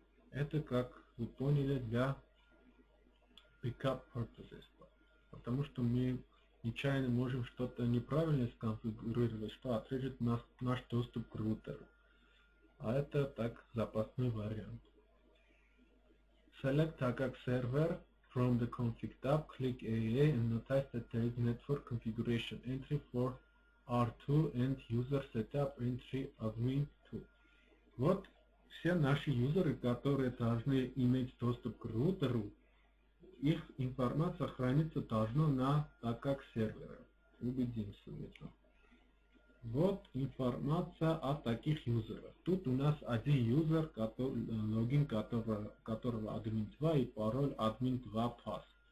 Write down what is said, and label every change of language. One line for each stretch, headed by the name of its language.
Russian: Это, как вы поняли, для
English: backup purposes,
Russian: потому что мы нечаянно можем что-то неправильно сконфигурировать, что отрежет наш доступ к роутеру. А это так запасной вариант.
English: Select TACACS server from the config tab, click AAA and notice that there is network configuration entry for R2 and user setup entry admin 2.
Russian: Вот все наши юзеры, которые должны иметь доступ к роутеру, их информация хранится должна на TACACS сервере. Убедимся в этом. Вот информация о таких юзерах. Тут у нас один юзер, логин которого admin2 и пароль admin2pass.